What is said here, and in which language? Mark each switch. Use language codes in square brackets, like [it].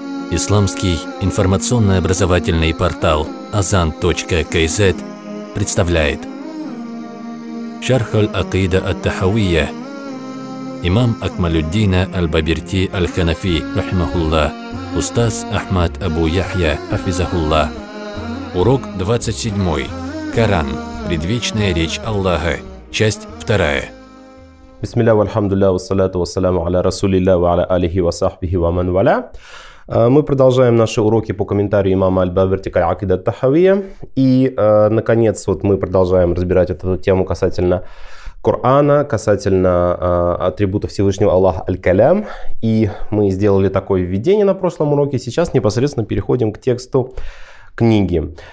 [ru] Исламский информационно-образовательный портал azan.kz представляет Шархаль Акида ат-Тахавия. Имам Акмалюддина аль-Бабирти аль-Ханафи рахимахулла. Устаз Ахмад Абу Яхья хафизахулла. Урок 27. Коран. Предвечная речь Аллаха. Часть 2. [ar] بسم الله والحمد لله والصلاة والسلام على رسول الله وعلى آله وصحبه ومن والاه. [ru] Мы продолжаем наши уроки по комментарию имама аль-Бабирти аль-Акида ат-Тахавия. И, наконец, вот мы продолжаем разбирать эту тему касательно Корана, касательно атрибута Всевышнего Аллаха аль-Калям. И мы сделали такое введение на прошлом уроке. Сейчас непосредственно переходим к тексту книги.